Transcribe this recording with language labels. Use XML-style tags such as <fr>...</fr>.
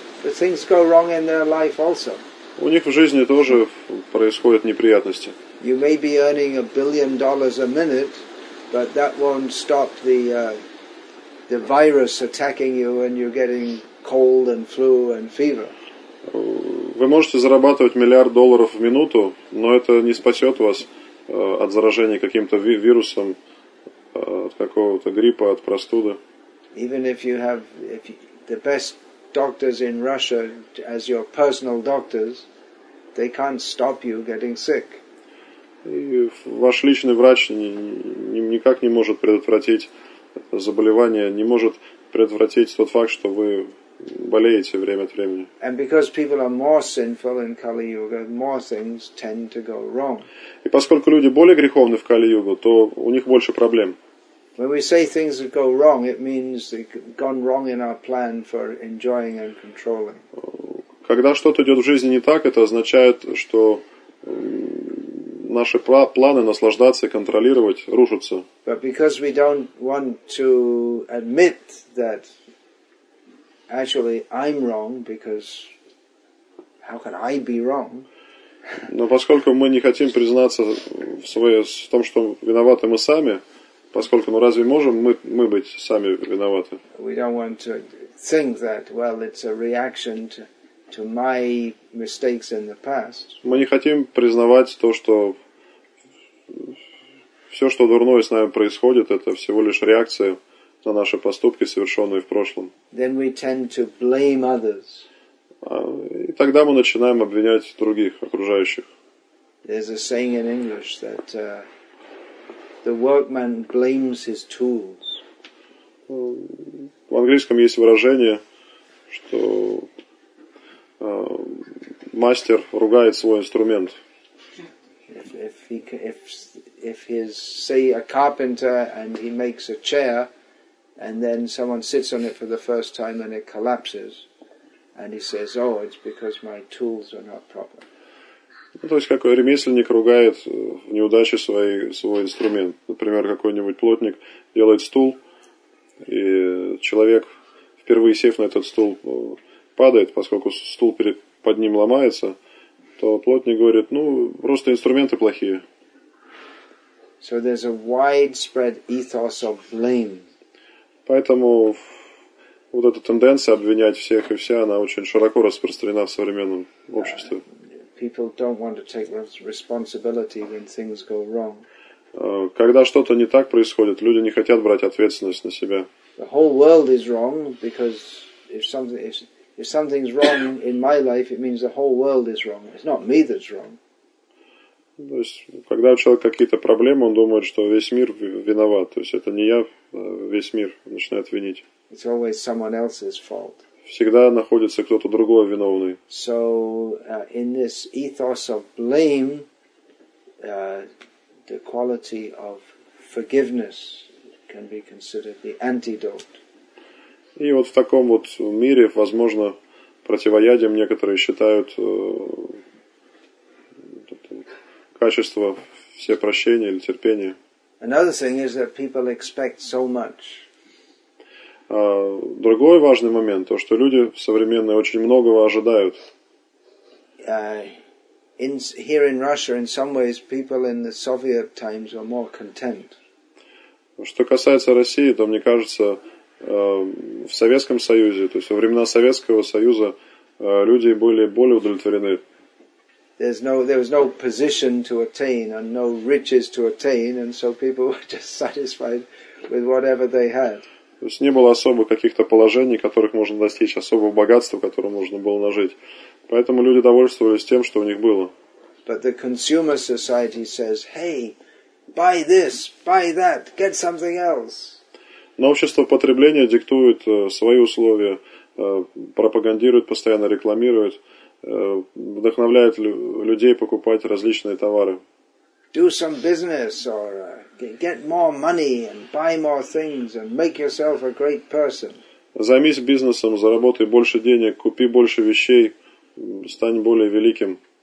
<en>but things go wrong in their life also.</en> <ru>У них в жизни тоже происходят неприятности.</ru> <en>You may be earning $1 billion a minute, but that won't stop the virus attacking you and you're getting cold and flu and fever.</en> <ru>Вы можете зарабатывать $1 миллиард в минуту, но это не спасет вас от заражения каким-то вирусом, от какого-то гриппа, от простуды.</ru> <en>Even if you have the best doctors in Russia as your personal doctors, they can't stop you getting sick.</en> <ru>Ваш личный врач никак не может предотвратить заболевание, не может предотвратить тот факт, что вы болеете время от времени.</ru> <en>And because people are more sinful in Kali-Yuga, more things tend to go wrong.</en> <ru>И поскольку люди более греховны в Кали-Югу, то у них больше проблем.</ru> <en>When we say things go wrong, it means it's gone wrong in our plan for enjoying and controlling.</en> <ru>Когда что-то идет в жизни не так, это означает, что наши планы наслаждаться и контролировать рушатся.</ru> <en>But because we don't want to admit that actually I'm wrong, because how can I be wrong?</en> <ru>Но поскольку мы не хотим признаться в том, что виноваты мы сами, поскольку ну разве можем мы быть сами виноваты?</ru> <en>We don't want to think that, well, it's a reaction to my mistakes in the past.</en> <ru>Мы не хотим признавать то, что все, что дурное с нами происходит, это всего лишь реакция на наши поступки, совершенные в прошлом.</ru> <en>Then we tend to blame others.</en> <ru>И тогда мы начинаем обвинять других, окружающих.</ru> <en>There's a saying in English that the workman blames his tools.</en> <ru>В английском есть выражение, что мастер ругает свой инструмент.</ru> <en>If he's, say, a carpenter and he makes a chair and then someone sits on it for the first time and it collapses and he says, oh, it's because my tools are not proper.</en> <ru>Ну, то есть, как ремесленник ругает в неудаче свой инструмент. Например, какой-нибудь плотник делает стул, и человек, впервые сев на этот стул, падает, поскольку стул под ним ломается, то плотник говорит, ну, просто инструменты плохие.</ru> <en>So there's a widespread ethos of blame.</en> <ru>Поэтому вот эта тенденция обвинять всех и вся, она очень широко распространена в современном обществе.</ru> <en>People don't want to take responsibility when things go wrong.</en> <ru>Когда что-то не так происходит, люди не хотят брать ответственность на себя.</ru> <en>The whole world is wrong, because if something's wrong in my life, it means the whole world is wrong. It's not me that's wrong.</en> <ru>То есть, когда у человека какие-то проблемы, он думает, что весь мир виноват. То есть, это не я, весь мир начинает винить.</ru> <en>It's always someone else's fault.</en> <ru>Всегда находится кто-то другой виновный.</ru> <en>So, in this ethos of blame, the quality of forgiveness can be considered the antidote.</en> <ru>И вот в таком вот мире, возможно, противоядием некоторые считают качество все прощения или терпения.</ru> <en>Another thing is that people expect so much.</en> <ru>Другой важный момент, то, что люди современные очень многого ожидают.</ru> <en>Here in Russia, in some ways, people in the Soviet times were more content.</en> <ru>Что касается России, то мне кажется, в Советском Союзе, то есть во времена Советского Союза, люди были более удовлетворены.</ru> <en>There was no position to attain and no riches to attain, and so people were just satisfied with whatever they had.</en> <ru>То есть не было особых каких-то положений, которых можно достичь, особого богатства, которое можно было нажить. Поэтому люди довольствовались тем, что у них было.</ru> <en>But the consumer society says, hey, buy this, buy that, get something else.</en> <ru>Но общество потребления диктует свои условия, пропагандирует, постоянно рекламирует, вдохновляет людей покупать различные товары.</ru> <en>Do some business or get more money and buy more things and make yourself a great person.</en> <ru>Займись бизнесом, заработай больше денег, купи больше вещей, стань более великим.</ru>